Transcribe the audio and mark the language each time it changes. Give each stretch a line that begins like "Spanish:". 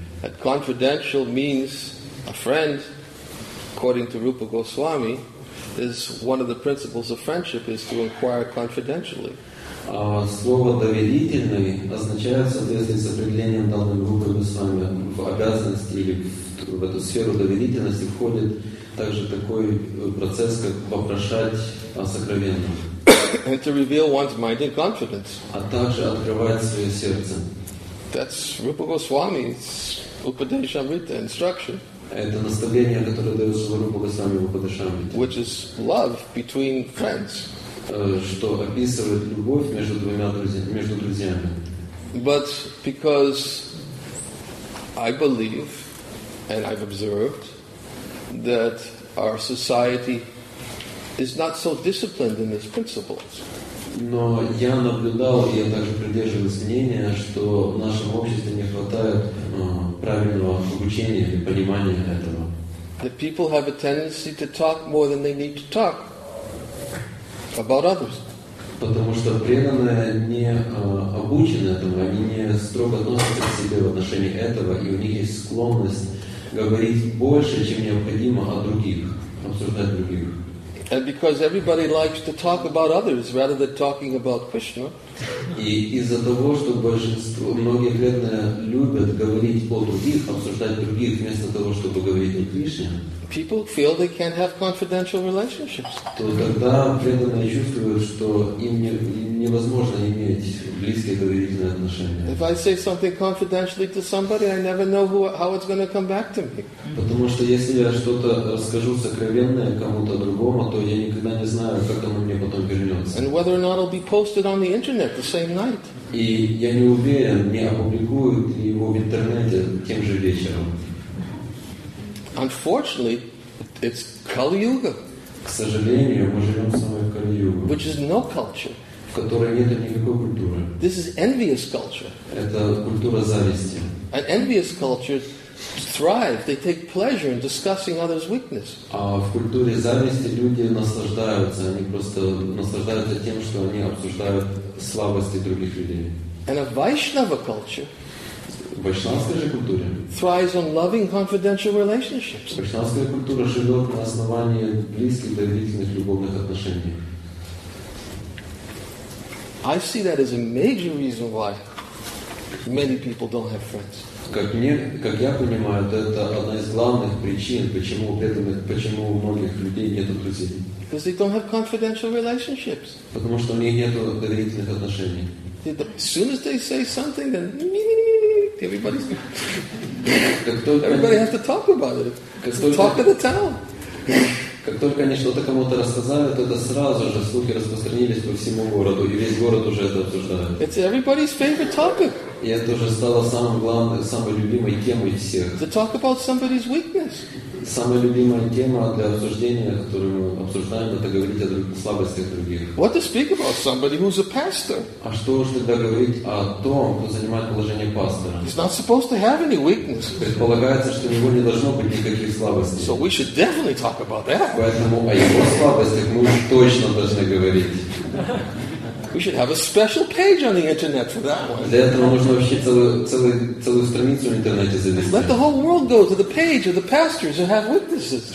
English: That confidential means a friend, according to Rupa Goswami, is one of the principles of friendship is to inquire confidentially.
Russian: Слово доверительный означает, соответственно, с определением данным Рупой Госвами в обязанности или в эту сферу доверительности входит также такой процесс, как попрошать о сокровенном.
English: And to reveal one's mind in confidence.
Russian: А также открывает свое сердце.
English: That's Rupa Goswami's Upadeshamrita instruction.
Russian: Это наставление, которое дается Рупа Госвами в Упадешамрите.
English: Which is love between friends.
Russian: Что описывает любовь между двумя друзьями, между друзьями.
English: But because I believe and I've observed that our society is not so disciplined in its principles.
Russian: Но я наблюдал, и я также придерживаюсь мнения, что в нашем обществе не хватает правильного обучения и понимания этого.
English: That people have a tendency to talk more than they need to talk about others.
Russian: Потому что преданные не обучены этому, они не строго относятся к себе в отношении этого, и у них есть склонность говорить больше, чем необходимо, о других, обсуждать других.
English: And because everybody likes to talk about others rather than talking about Krishna.
Russian: И из-за того, что большинство, многие преданные любят говорить о других, обсуждать других, вместо того, чтобы говорить о Кришне.
English: People feel they can't have confidential relationships.
Russian: То тогда преданные чувствуют, что им невозможно иметь близкие доверительные отношения.
English: If I say something confidentially to somebody, I never know how it's going to come back to me.
Russian: Потому что если я что-то расскажу сокровенное кому-то другому, то я никогда не знаю, как оно мне потом вернется.
English: And whether or not it'll be posted on the internet the same night.
Russian: И я не уверен, не опубликуют его в интернете тем же вечером.
English: Unfortunately, it's Kali Yuga.
Russian: К сожалению, мы живем в самой Кали Юге.
English: Which is no culture.
Russian: В которой нет никакой культуры.
English: This is envious culture.
Russian: Это культура зависти.
English: And envious cultures thrive. They take pleasure in discussing others' weakness.
Russian: А в культуре зависти люди наслаждаются. Они просто наслаждаются тем, что они обсуждают слабости других людей.
English: And a Vaishnava culture.
Russian: Вайшнавская же культура
English: thrives on loving confidential relationships.
Russian: Вайшнавская культура живет на основании близких, доверительных, любовных отношений.
English: I see that as a major reason why many people don't have friends.
Russian: Как я понимаю, это одна из главных причин, почему у многих людей нет друзей.
English: Because they don't have confidential relationships.
Russian: Потому что у них нет доверительных отношений.
English: As soon as they say something, then everybody has to talk about it. Talk of the town.
Russian: Как только они что-то кому-то рассказали, то это сразу же слухи распространились по всему городу, и весь город уже это обсуждает.
English: It's everybody's favorite topic.
Russian: И это уже стало самым главным, самой любимой темой всех.
English: To talk about somebody's weakness.
Russian: Самая любимая тема для обсуждения, которую мы обсуждаем, это говорить о слабостях других.
English: What to speak about somebody who's a pastor?
Russian: А что уж тогда говорить о том, кто занимает положение пастора?
English: He's not supposed to have any weakness.
Russian: Предполагается, что у него не должно быть никаких слабостей.
English: So we should definitely talk about that.
Russian: Поэтому о его слабостях мы уж точно должны говорить.
English: We should have a special page on the internet for that one.
Russian: Для этого нужно вообще целую страницу в интернете завести.
English: Let the whole world go to the page of the pastors who have witnesses.